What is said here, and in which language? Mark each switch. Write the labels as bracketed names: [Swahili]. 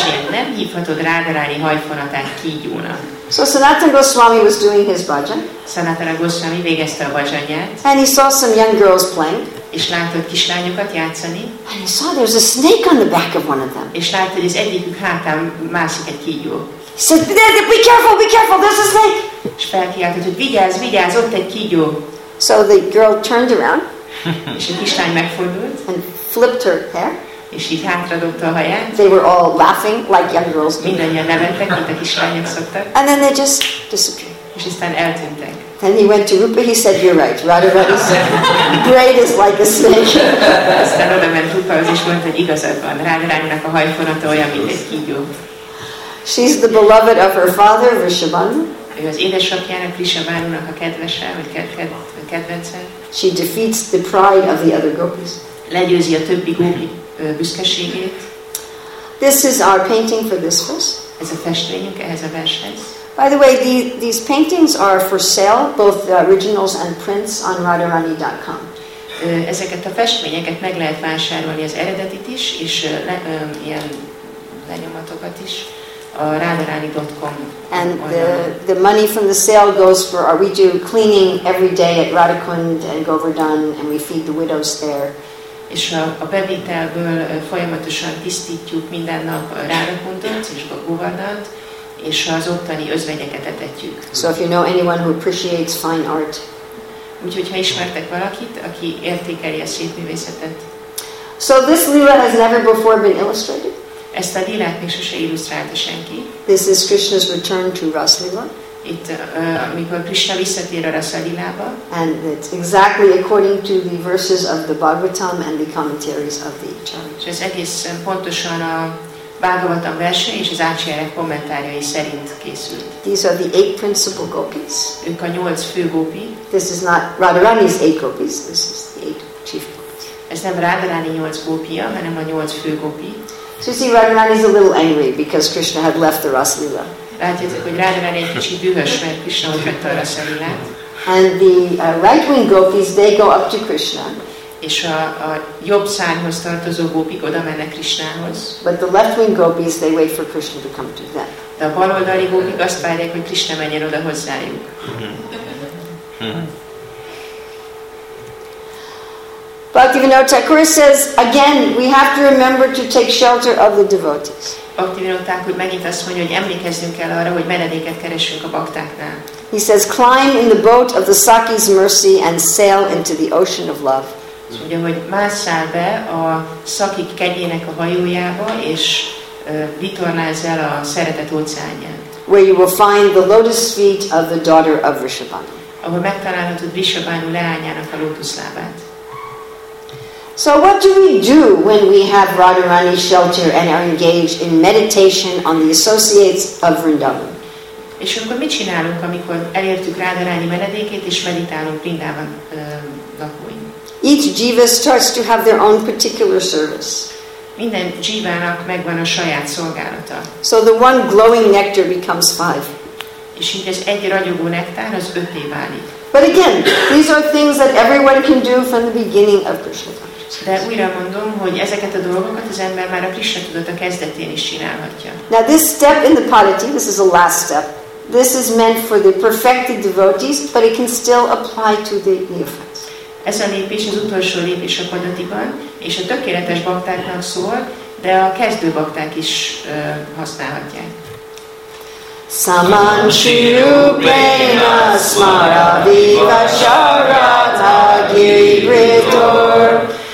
[Hungarian] Nem hívhatod Radharani hajfonatát kígyónak. [English] So Sanatana Goswami was doing his bhajan. [Hungarian] Sanatana Goswami végezte a bhajanját. [English] And he saw some young girls playing. [Hungarian] És látott kislányokat játszani. [English] And he saw there's a snake on the back of one of them. [Hungarian] És látta, hogy az egyikük hátán mászik egy kígyó. [English] He said, be careful, be careful, there's a snake. [Hungarian] És felkiáltott, hogy vigyázz, vigyázz, ott egy kígyó. [English] So the girl turned around. [Hungarian] És a kislány megfordult. [English] And flipped her hair. [Hungarian] És így hátradobta a haját. [English] They were all laughing like young girls. [Hungarian] Mindannyian nevettek, mint a kislányok szoktak. [English] And then they just disappeared. [Hungarian] És aztán eltűntek. [English] Then he went to Rupa. He said, "You're right. Radharani's braid is like a snake." [Hungarian] Aztán oda ment Rupa, az is mondta, hogy igazad van. Radharaninak a hajfonata olyan, mint egy kígyó. [English] She's the beloved of her father, Vrishabhanu. [Hungarian] Ő az édesapjának, Vrishabhanunak a kedvese, vagy kedvence. [English] She defeats the pride of the other gopis. [Hungarian] Legyőzi a többi gópi büszkeségét. [English] This is our painting for this verse. [Hungarian] Ez a festményünk ehhez a vershez. [English] By the way, these paintings are for sale, both the originals and prints on radharani.com. [Hungarian] Ezeket a festményeket meg lehet vásárolni, az eredetit is, és ilyen lenyomatokat is a radharani.com. [English] And the money from the sale goes for our, we do cleaning every day at Radhakund and Govardhan, and we feed the widows there. [Hungarian] És a bevételből folyamatosan tisztítjuk minden nap Radhakundot és Govardhant, és az ottani özvegyeket etetjük. [English] So if you know anyone who appreciates fine art, [Hungarian] Úgyhogy ha ismertek valakit, aki értékeli a szép művészetet. [English] So this lila has never before been illustrated. [Hungarian] Ezt a lilát még sose illusztrálta senki. [English] This is Krishna's return to Rasalila. [Hungarian] Itt, amikor Krishna visszatér a Rasalilába. [English] And it's exactly according to the verses of the Bhagavatam and the commentaries of the Acharyas. [Hungarian] És ez egész pontosan a Bhagavatam verse és az Acharyák kommentárjai szerint készült. [English] These are the eight principal gopis. [Hungarian] Ők a nyolc fő gopi. [English] This is not Radharani's eight gopis, this is the eight chief gopis. [Hungarian] Ez nem Radharani nyolc gópia, hanem a nyolc fő gopi. [English] So you see, Radharani is a little angry because Krishna had left the Rasalila. [Hungarian] Látjátok, hogy Radharani egy kicsit dühös, mert Krishna ott hagyta a Rasalilát. [English] And the right-wing gopis, they go up to Krishna. [Hungarian] És a jobb szárnyhoz tartozó gópik oda mennek Krishnához. [English] But the left-wing gopis, they wait for Krishna to come to them. [Hungarian] De a baloldali gópik azt várják, hogy Krishna menjen oda hozzájuk. [English] Bhaktivinoda Thakur says, again, we have to remember to take shelter of the devotees. [Hungarian] Bhaktivinoda Thakur megint azt mondja, hogy emlékezzünk el arra, hogy menedéket keressünk a baktáknál. [English] He says, climb in the boat of the Sakhi's mercy and sail into the ocean of love. [Hungarian] Azt mondja, hogy mászál be a Sakhik kegyének a hajójába, és vitorlázz el a szeretet óceánján. [English] Where you will find the lotus feet of the daughter of Vrishabhanu. [Hungarian] Ahol megtalálhatod Vrishabhanu leányának a lótuszlábát. [English] So what do we do when we have Radharani's shelter and are engaged in meditation on the associates of Vrindavan? [Hungarian] És akkor mit csinálunk, amikor elértük Radharani menedékét és meditálunk Vrindavan lakóin? [English] Each jiva starts to have their own particular service. [Hungarian] Minden jivának megvan a saját szolgálata. [English] So the one glowing nectar becomes five. [Hungarian] És így az egy ragyogó nektár az ötté válik. [English] But again, these are things that everyone can do from the beginning of Krishna. [Hungarian] De újra mondom, hogy ezeket a dolgokat az ember már a Krishna tudata kezdetén is csinálhatja. [English] Now this step in the polity, this is the last step. This is meant for the perfected devotees, but it can still apply to the neophytes. [Hungarian] Ez a lépés az utolsó lépés a polityban, és a tökéletes baktáknak szól, de a kezdő bakták is használhatják. Saman Shirupena Smaradiva Sharata Giri Ritor